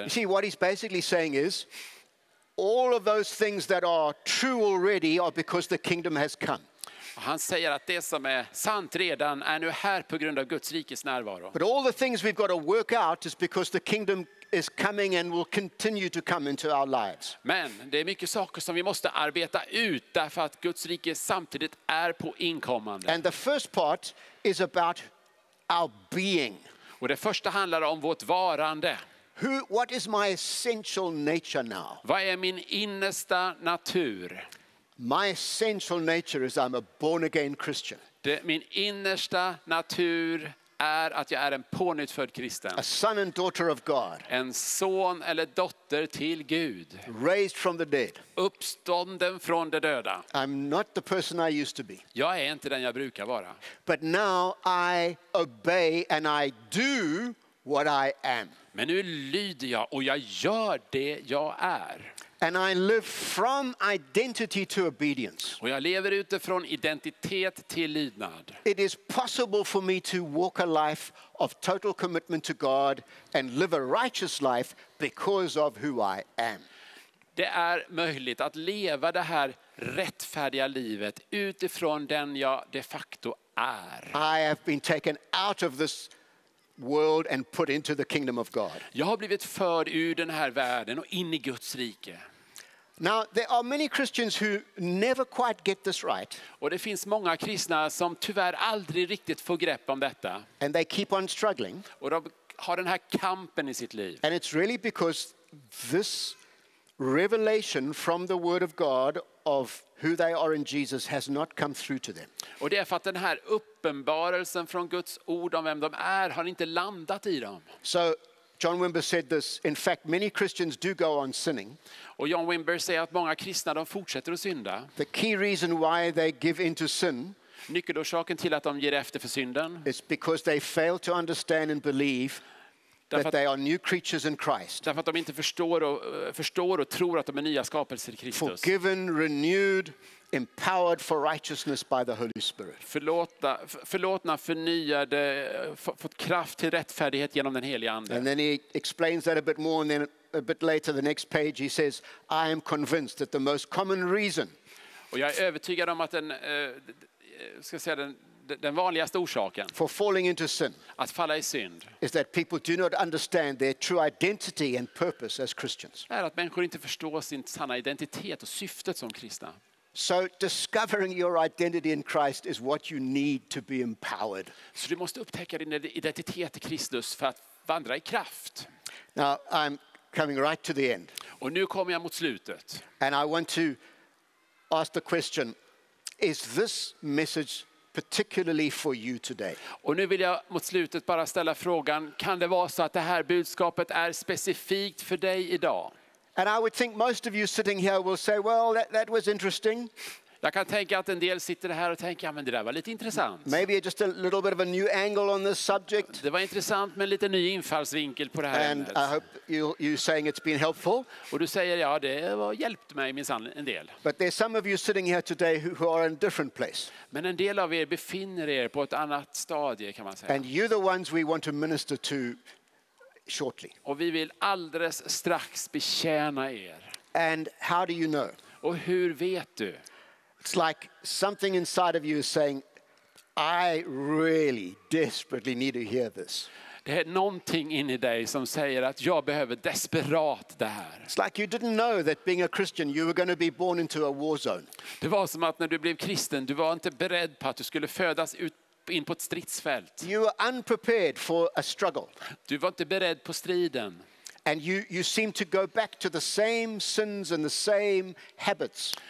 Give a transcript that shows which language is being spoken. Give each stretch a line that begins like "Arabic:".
English: You see, what he's basically saying is all of those things that are true already are because the kingdom has come.
Swedish: Och han säger att det som är sant redan är nu här på grund av Guds rikes närvaro.
English: But all the things we've got to work out is because the kingdom is coming and will continue to come into our lives.
Swedish: Men det är mycket saker som vi måste arbeta ut därför att Guds rike samtidigt är på inkommande.
English: And the first part is about our being.
Swedish: Och det första handlar om vårt varande.
English: What is my essential nature now?
Swedish: Vad är min innersta natur?
English: My essential nature is I'm a born again Christian.
Swedish: Min innersta natur är att jag är en pånyttfödd kristen.
English: A son and daughter of God.
Swedish: En son eller dotter till Gud.
English: Raised from the dead.
Swedish: Uppstånden från de döda.
English: I'm not the person I used to be.
Swedish: Jag är inte den jag brukar vara.
English: But now I obey and I do what I am.
Swedish: Men nu lyder jag och jag gör det jag är.
English: And I live from identity to obedience.
Swedish: Och jag lever utifrån identitet till lydnad.
English: It is possible for me to walk a life of total commitment to God and live a righteous life because of who I am.
Swedish: Det är möjligt att leva det här rättfärdiga livet utifrån den jag de facto är.
English: I have been taken out of this world and put into the kingdom of God.
Swedish: Jag har blivit förd ur den här världen och in i Guds rike.
English: Now there are many Christians who never quite get this right.
Swedish: Och det finns många kristna som tyvärr aldrig riktigt får grepp om detta.
English: And they keep on struggling.
Swedish: Och de har den här kampen i sitt liv.
English: And it's really because this revelation from the word of God of who they are in Jesus has not come through to them.
Swedish: Och det är för att den här uppenbarelsen från Guds ord om vem de är har inte landat i dem.
English: So John Wimber said this, in fact many Christians do go on sinning.
Swedish: Och John Wimber säger att många kristna de fortsätter att synda.
English: The key reason why they give into sin,
Swedish: nyckelorsaken till att de ger efter för synden,
English: is because they fail to understand and believe that they are new creatures in Christ.
Swedish: Därför att de inte förstår och tror att de är nya skapelser i Kristus.
English: Forgiven, renewed, empowered for righteousness by the Holy Spirit.
Swedish: Förlåtna, förnyade, fått kraft till rättfärdighet genom den helige ande.
English: And then he explains that a bit more, and then a bit later the next page he says, I am convinced that the most common reason.
Swedish: Och jag är övertygad om att den vanligaste orsaken
English: for falling into sin,
Swedish: att falla i synd,
English: is that people do not understand their true identity and purpose as Christians.
Swedish: Är att människor inte förstår sin sanna identitet och syftet som kristna.
English: So discovering your identity in Christ is what you need to be empowered.
Swedish: Så du måste upptäcka din identitet i Kristus för att vandra i kraft.
English: Now I'm coming right to the end.
Swedish: Och nu kommer jag mot slutet.
English: And I want to ask the question, is this message particularly for you today?
Swedish: Och nu vill jag mot slutet bara ställa frågan, kan det vara så att det här budskapet är specifikt för dig idag?
English: And I would think most of you sitting here will say, well, that was interesting.
Swedish: Jag kan tänka att en del sitter här och tänker, ja, men det där var lite intressant.
English: Maybe just a little bit of a new angle on this subject.
Swedish: Det var intressant med lite ny infallsvinkel på det här ämnet.
English: And I hope you saying it's been helpful.
Swedish: Och du säger, ja, det har hjälpt mig minsann en del.
English: But there's some of you sitting here today who are in a different place.
Swedish: Men en del av er befinner er på ett annat stadie, kan man säga.
English: And you're the ones we want to minister to shortly.
Swedish: Och vi vill alldeles strax betjäna er.
English: And how do you know?
Swedish: Och hur vet du?
English: It's like something inside of you is saying, I really desperately need to hear this.
Swedish: Det är någonting in i dig som säger att jag behöver desperat det här.
English: It's like you didn't know that being a Christian you were going to be born into a war zone.
Swedish: Det var som att när du blev kristen du var inte beredd på att du skulle födas ut in på ett stridsfält.
English: You were unprepared for a struggle.
Swedish: Du var inte beredd på striden.
English: And you seem to go back to the same sins and the same habits.